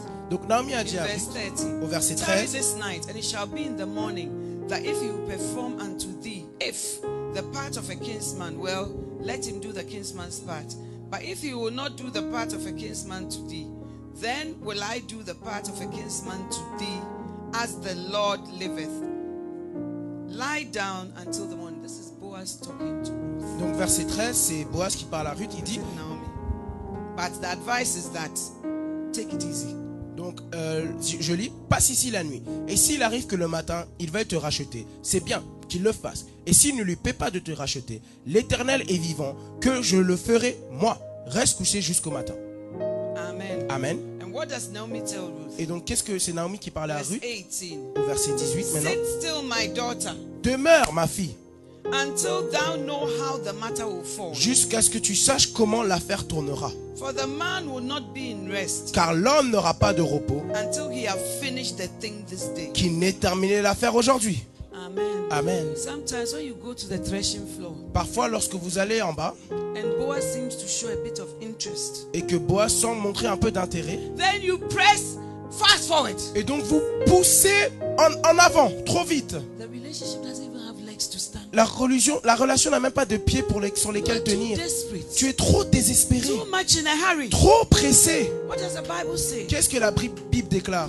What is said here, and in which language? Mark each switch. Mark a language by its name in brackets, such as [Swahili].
[French] Donc Naomi a dit à au verset 13, [English] this night, and it shall be in the morning that if he will perform unto thee, if the part of a kinsman, well, let him do the kinsman's part. But if he will not do the part of a kinsman to thee, then will I do the part of a kinsman to thee, as the Lord liveth. Lie down until the morning. This is Boaz talking to Ruth. [French] Donc verset 13, c'est Boaz qui parle à Ruth. Il dit, Naomi. [English] But the advice is that take it easy. [French] Donc je lis, passe ici la nuit. Et s'il arrive que le matin, il veuille te racheter, c'est bien qu'il le fasse. Et s'il ne lui paie pas de te racheter, l'Éternel est vivant, que je le ferai moi. Reste couché jusqu'au matin. [English] Amen. [French] Amen. [English] And what does Naomi tell Ruth? [French] Et donc qu'est-ce que c'est Naomi qui parlait à [English] verse Ruth 18. [French] Au verset 18 maintenant. [English] Sit still, my daughter. [French] Demeure ma fille. [English] Until thou know how the matter will fall. [French] Jusqu'à ce que tu saches comment l'affaire tournera. [English] For the man will not be in rest. [French] Car l'homme n'aura pas de repos. [English] Until he have finished the thing this day. [French] Qu'il n'ait terminé l'affaire aujourd'hui. [English] Amen. [French] Amen. [English] Sometimes when you go to the threshing floor. [French] Parfois lorsque vous allez en bas. [English] And Boaz seems to show a bit of interest. [French] Et que Boaz semble montrer un peu d'intérêt. [English] Then you press fast forward. [French] Et donc vous poussez en avant, trop vite. [English] The relationship doesn't even have legs to stand. [French] La relation n'a même pas de pieds sur lesquels tenir. [English] Desperate. [French] Tu es trop désespéré. [English] Too much in a hurry. [French] Trop pressé. [English] What does the Bible say? [French] Qu'est-ce que la Bible déclare?